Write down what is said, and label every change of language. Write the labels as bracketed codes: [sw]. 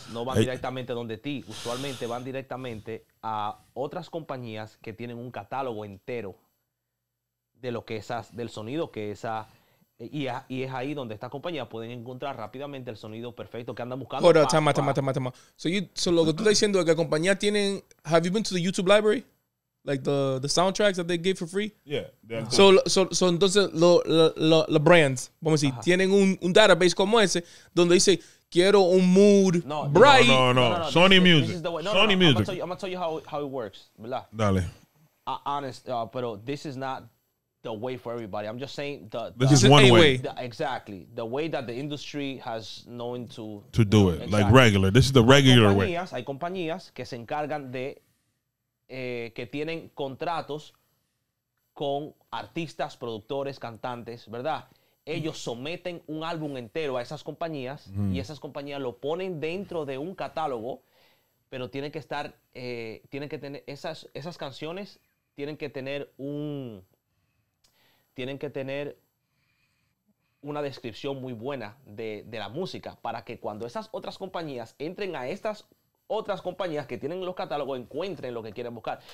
[es] no van directamente donde ti, usualmente van directamente a otras compañías que tienen un catálogo entero de lo que esas del sonido que esa y es ahí donde estas compañías pueden encontrar rápidamente el sonido perfecto que andan buscando. [en] Hold on, time. [es] So lo que tú estás diciendo es que compañías tienen. [en] Have you been to the YouTube library? Like the soundtracks that they give for free. Yeah. Cool. [es] So entonces los brands, vamos a decir, tienen un database como ese donde dice quiero un mood bright. [en] No. Sony Music. Music. I'm gonna tell you how it works, ¿verdad? [es] Dale. [en] Honest, pero this is not the way for everybody. I'm just saying the this is one way. Exactly. The way that the industry has known to do it. Exactly. Like regular. This is the regular way. [es] Hay compañías que se encargan de que tienen contratos con artistas, productores, cantantes, ¿verdad? Ellos someten un álbum entero a esas compañías y esas compañías lo ponen dentro de un catálogo, pero tiene que estar, tienen que tener, esas canciones tienen que tener una descripción muy buena de la música para que cuando esas otras compañías entren a estas otras compañías que tienen los catálogos encuentren lo que quieren buscar.